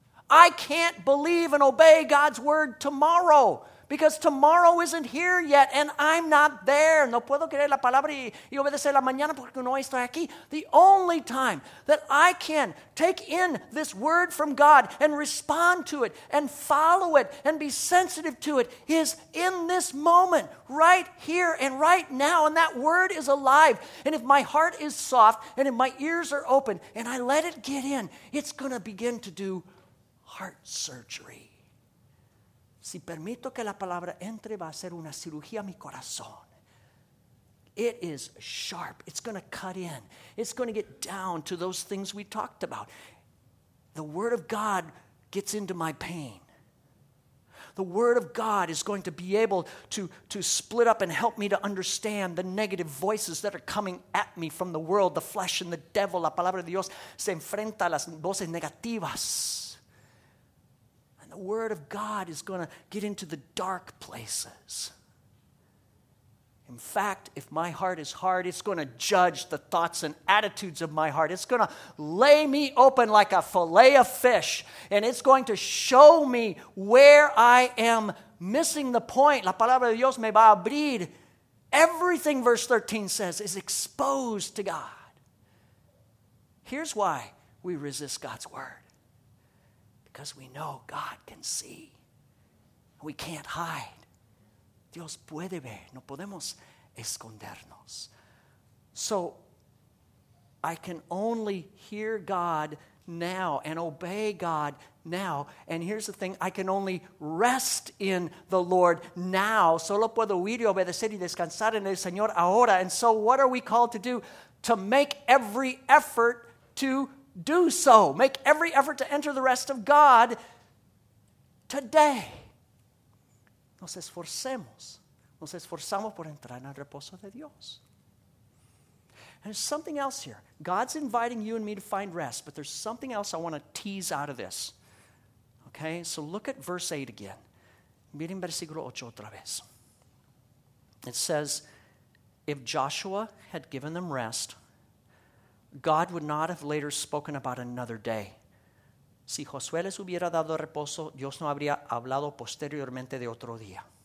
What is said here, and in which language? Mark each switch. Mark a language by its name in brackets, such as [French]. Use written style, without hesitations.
[English] I can't believe and obey God's word tomorrow because tomorrow isn't here yet and I'm not there. [Spanish] No puedo creer la palabra y obedecer la mañana porque no estoy aquí. [English] The only time that I can take in this word from God and respond to it and follow it and be sensitive to it is in this moment, right here and right now. And that word is alive. And if my heart is soft and if my ears are open and I let it get in, it's going to begin to do heart surgery. [Spanish] Si permito que la palabra entre, va a ser una cirugía a mi corazón. [English] It is sharp. It's going to cut in. It's going to get down to those things we talked about. The Word of God gets into my pain. The Word of God is going to be able to split up and help me to understand the negative voices that are coming at me from the world, the flesh and the devil. [Spanish] La palabra de Dios se enfrenta a las voces negativas. [English] The Word of God is going to get into the dark places. In fact, if my heart is hard, it's going to judge the thoughts and attitudes of my heart. It's going to lay me open like a fillet of fish. And it's going to show me where I am missing the point. [Spanish] La palabra de Dios me va a abrir. [English] Everything, verse 13 says, is exposed to God. Here's why we resist God's word. Because we know God can see. We can't hide. [Spanish] Dios puede ver, no podemos escondernos. [English] So, I can only hear God now and obey God now. And here's the thing, I can only rest in the Lord now. [Spanish] Solo puedo oír y obedecer y descansar en el Señor ahora. [English] And so, what are we called to do? To make every effort to do so. Make every effort to enter the rest of God today. [Spanish] Nos esforzamos por entrar en el reposo de Dios. [English] And there's something else here. God's inviting you and me to find rest, but there's something else I want to tease out of this. Okay, so look at verse 8 again. [Spanish] Miren versículo 8 otra vez. [English] It says, if Joshua had given them rest, God would not have later spoken about another day. [Spanish] Si Josué les hubiera dado reposo, Dios no habría hablado posteriormente de otro día.